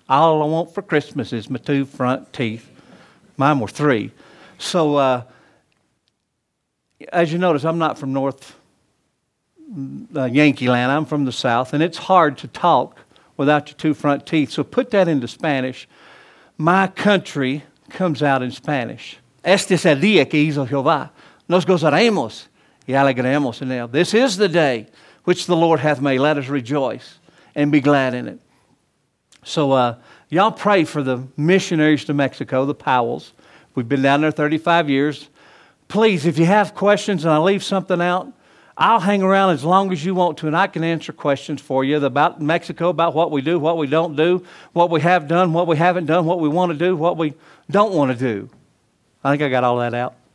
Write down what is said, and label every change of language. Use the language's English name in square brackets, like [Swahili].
[English] All I want for Christmas is my 2 front teeth. Mine were 3. So as you notice, I'm not from North Yankee Land. I'm from the South, and it's hard to talk without your 2 front teeth. So put that into Spanish. My country comes out in Spanish. [Spanish] Este es el día que hizo Jehová. Nos gozaremos y alegremos en él. [English] This is the day which the Lord hath made. Let us rejoice and be glad in it. So y'all pray for the missionaries to Mexico, the Powells. We've been down there 35 years. Please, if you have questions and I leave something out, I'll hang around as long as you want to, and I can answer questions for you about Mexico, about what we do, what we don't do, what we have done, what we haven't done, what we want to do, what we don't want to do. I think I got all that out.